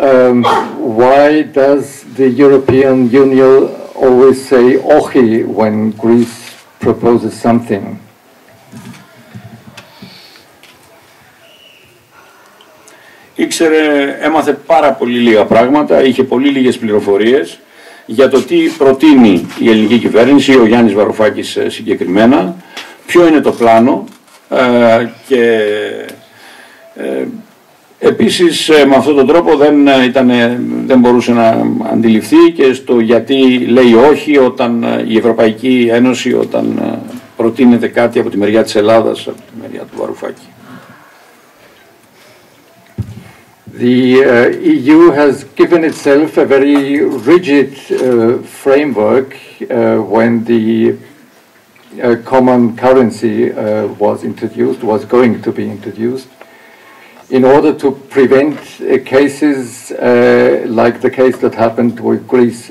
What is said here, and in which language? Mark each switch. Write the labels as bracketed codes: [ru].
[en] Why does the European Union always say "ochi" when Greece proposes something? [el] Ήξερε, έμαθε πάρα πολύ λίγα πράγματα, είχε πολύ λίγες πληροφορίες για το τι προτείνει η ελληνική κυβέρνηση, ο Γιάννης Βαρουφάκης συγκεκριμένα, ποιο είναι το πλάνο και επίσης με αυτόν τον τρόπο δεν μπορούσε να αντιληφθεί και στο γιατί λέει όχι όταν η Ευρωπαϊκή Ένωση όταν προτείνεται κάτι από τη μεριά της Ελλάδας, από τη μεριά του Βαρουφάκη. [en] The EU has given itself a very rigid framework when the common currency was going to be introduced, in order to prevent cases like the case that happened with Greece.